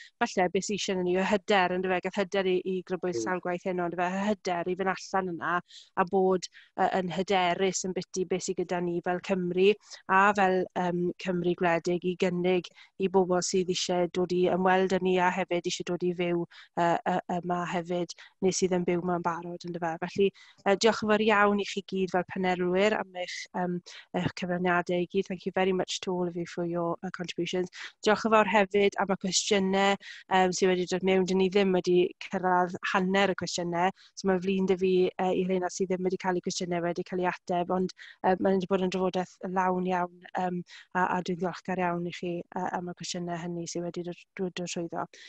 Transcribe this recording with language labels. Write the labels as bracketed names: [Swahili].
[Welsh] Falle, beth sy'n eisiau ni, y hyder, ynddo fe, gath hyder i grybwyll sawl gwaith hyn, ynddo fe, y hyder i fynd allan yna, a bod yn hyderus yn byty beth sy'n gyda ni fel Cymru, a fel Cymru gwledig i gynnig i bobl sydd eisiau dod i ymweld â ni, a hefyd eisiau dod i fyw yma hefyd, neu sydd yn byw mewn barod, ynddo fe. Felly, diolch yn fawr iawn i chi gyd fel panel am eich cyfraniadau i gyd. [English] Thank you very much to all of you for your contributions. [Welsh] Diolch yn fawr hefyd am y cwestiynau sydd wedi dod mewn. Dyn ni ddim wedi cyrraedd hanner y cwestiynau, so mae flin dy fi i reina sydd ddim wedi cael eu cwestiynau wedi cael eu ateb, ond mae'n wedi bod yn drafodaeth lawn iawn a dwi'n ddiolchgar iawn i chi am y cwestiynau hynny sydd wedi dod trwyddo.